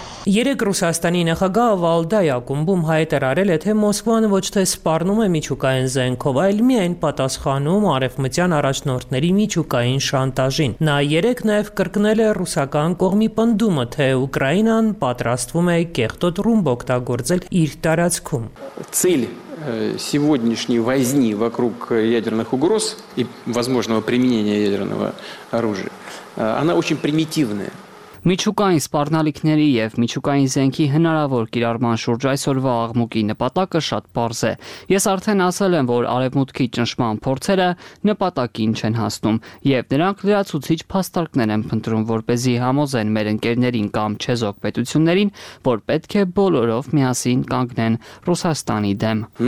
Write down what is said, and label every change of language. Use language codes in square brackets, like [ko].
[hy] Երեկ Ռուսաստանի նախագահ Վալդայ ակումբում հայտարարել է, թե Մոսկվան ոչ թե սպառնում է միջուկային զենքով, այլ միայն պատասխանում արևմտյան առաջնորդների միջուկային շանտաժին։ Նա երեկ նաև կրկնել է ռուսական կողմի պնդումը, թե Ուկրաինան պատրաստվում է կեղտոտ ռումբ օգտագործել իր տարածքում։ [ru] Сегодняшней возни вокруг ядерных угроз и возможного применения ядерного оружия, она очень примитивная. [hy] Միջուկային սպառնալիքների և միջուկային զենքի հնարավոր կիրառման շուրջ այսօրվա աղմուկի նպատակը շատ պարզ է։ Ես արդեն ասել եմ, որ արևմուտքի ճնշման փորձերը նպատակին չեն հասնում, և նրանք լրացուցիչ փաստարկներ են փնտրում, որպեսզի համոզեն մեր ընկերներին կամ չեզոք պետություններին, որ պետք է բոլորով միասին կանգնեն Ռուսաստանի դեմ։